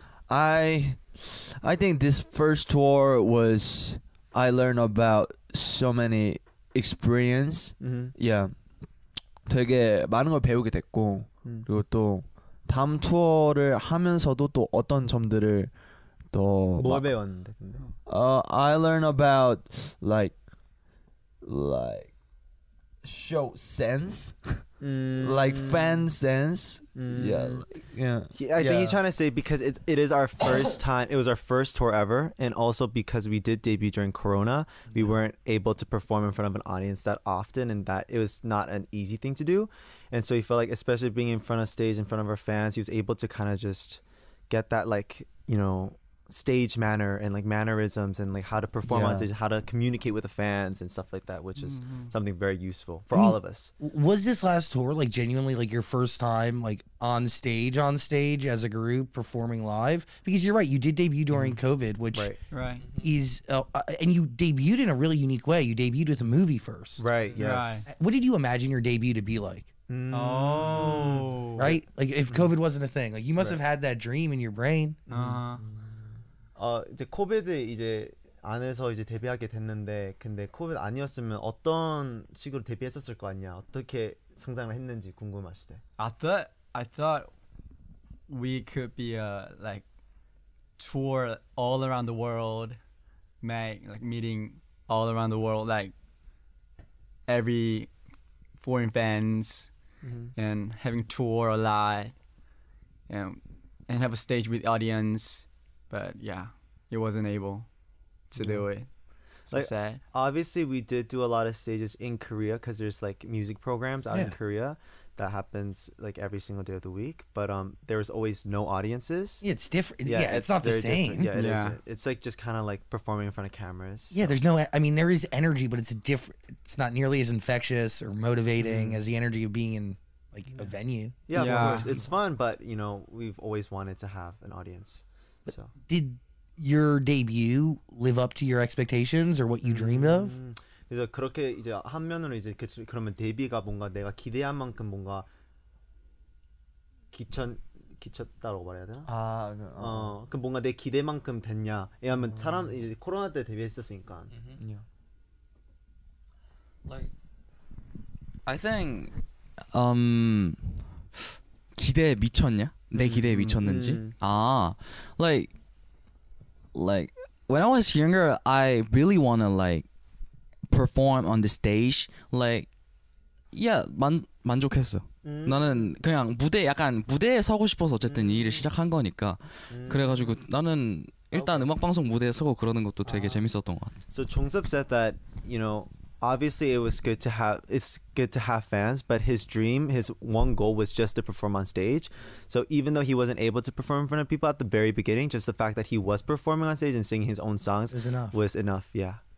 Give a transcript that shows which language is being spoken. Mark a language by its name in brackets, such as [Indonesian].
[English] I think this first tour was I learned about so many experience. Mm-hmm. Yeah. [Korean] 되게 많은 걸 배우게 됐고 그리고 또 다음 투어를 하면서도 또 어떤 점들을 또 뭘 배웠는데 근데? [English] I learned about like show sense, like fan sense. Think he's trying to say because it is our first time. It was our first tour ever, and also because we did debut during Corona, we weren't able to perform in front of an audience that often, and that it was not an easy thing to do. And so he felt like, especially being in front of stage, in front of our fans, he was able to kind of just get that, like, you know, stage manner and like mannerisms and like how to perform on stage, how to communicate with the fans and stuff like that, which is something very useful for all of us. Was this last tour like genuinely like your first time like on stage as a group performing live? Because you're right, you did debut during COVID, which is and you debuted in a really unique way. You debuted with a movie first, right? Yes. Right. What did you imagine your debut to be like? Oh, right. Like if COVID wasn't a thing, like you must have had that dream in your brain. Uh-huh. [Korean] 이제 코비드 이제 안에서 이제 데뷔하게 됐는데 근데 코비드 아니었으면 어떤 식으로 데뷔했었을 거 아니야? 어떻게 성장을 했는지 궁금하시대. [English] I thought we could be a like tour all around the world, meeting all around the world, like every foreign fans, and having tour a lot, and have a stage with audience. But yeah, it wasn't able to do it. So like, sad. Obviously, we did do a lot of stages in Korea because there's like music programs out in Korea that happens like every single day of the week. But there was always no audiences. Yeah, it's different. Yeah, it's not the same. Different. Yeah, it is. It's like just kind of like performing in front of cameras. So. Yeah, there's no. I mean, there is energy, but it's a different. It's not nearly as infectious or motivating as the energy of being in like a venue. Yeah, of course, it's fun. But you know, we've always wanted to have an audience. But did your debut live up to your expectations or what you dreamed of? [Korean] 그래서 그렇게 이제 한 면으로 이제 그러면 데뷔가 뭔가 내가 기대한 만큼 뭔가 기쳤다고 말해야 되나? 아, 그 뭔가 내 기대만큼 됐냐? 왜냐하면 사람 이제 코로나 때 데뷔했었으니까. [English] I think [Korean] 기대 미쳤냐? 내 기대에 미쳤는지? [English] Like when I was younger, I really wanna like perform on the stage. Like, yeah, [Korean] 만족했어. 나는 그냥 무대 약간 무대에 서고 싶어서 어쨌든 이 일을 시작한 거니까. 그래가지고 나는 일단 음악 방송 무대에 서고 그러는 것도 되게 재밌었던 것 같아. [English] So Jongseop said that, you know, obviously it was good to have fans, but his dream, his one goal was just to perform on stage. So even though he wasn't able to perform in front of people at the very beginning, just the fact that he was performing on stage and singing his own songs was enough. Yeah,